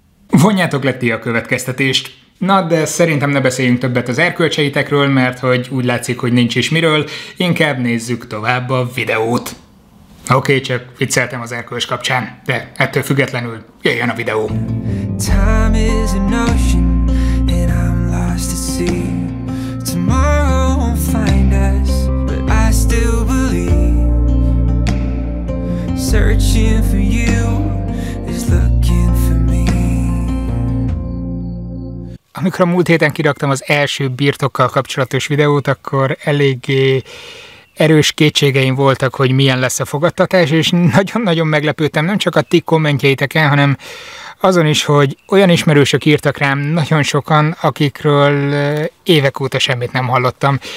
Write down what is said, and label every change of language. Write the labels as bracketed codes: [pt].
[hu] vonjátok le ti a következtetést! Na, de szerintem ne beszéljünk többet az erkölcseitekről, mert hogy úgy látszik, hogy nincs is miről, inkább nézzük tovább a videót. Oké, csak vicceltem az erkölcs kapcsán, de ettől függetlenül jöjjön a videó. [en] Time is an ocean, and I'm lost to sea. Tomorrow won't find us, but I still believe. Searching for you is looking for me. [hu] Amikor a múlt héten kiraktam az első birtokkal kapcsolatos videót, akkor eléggé erős kétségeim voltak, hogy milyen lesz a fogadtatás, és nagyon-nagyon meglepődtem nem csak a ti kommentjeiteken, hanem azon is, hogy olyan ismerősök írtak rám nagyon sokan, akikről évek óta semmit nem hallottam.